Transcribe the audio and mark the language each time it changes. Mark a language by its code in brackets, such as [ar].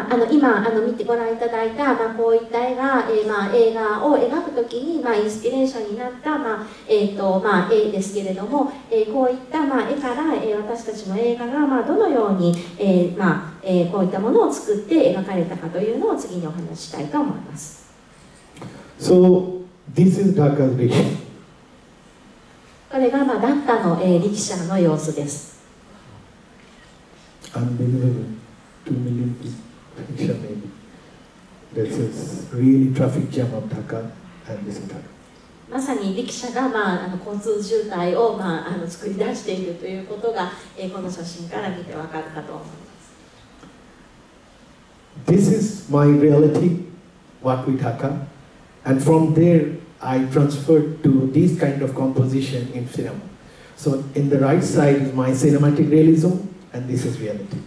[ja] 今見てご覧いただいた、こういった絵が、映画を描くときに、インスピレーションになった、絵ですけれども、こういった、絵から、私たちの映画が、どのように、こういったものを作って描かれたかというのを次にお話したいと思います。 [en] So this is Dhaka's Riksha. [ja] これが、ダッカの、力車の様子です。 [en] Unbelievable. 2 million peopleThis is really traffic jam of Dhaka and this is Dhaka. [ja] まさに力車が、交通渋滞を、作り出しているということが、この写真から見てわかるかと思います。 [en] This is my reality, work with Dhaka, and from there I transferred to this kind of composition in cinema. So in the right side is my cinematic realism, and this is reality.